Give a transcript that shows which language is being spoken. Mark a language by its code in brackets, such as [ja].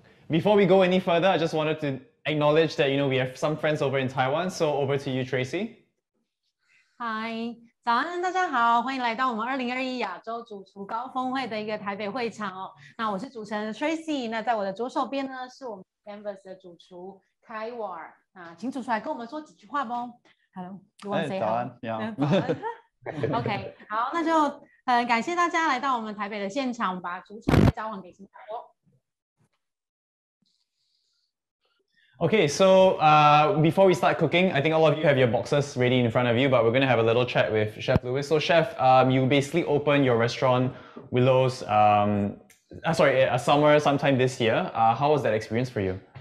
[en] Before we go any further, I just wanted to acknowledge that, you know, we have some friends over in Taiwan. So over to you, Tracy. Hi. [zh] 早安，大家好，欢迎来到我们2021亚洲主厨高峰会的一个台北会场哦。那我是主持人 Tracy， 那在我的左手边呢是我们 Canvas 的主厨 Kai。那请主厨来跟我们说几句话吧。 [en] Hello， you want to say hello？ [zh] 早安，你好。 OK， 好，那就很感谢大家来到我们台北的现场，我们把主场交还给新加坡。 [en] Okay, so before we start cooking, I think all of you have your boxes ready in front of you, but we're going to have a little chat with Chef Lewis. So Chef, you basically opened your restaurant Willows, Sommer sometime this year. How was that experience for you?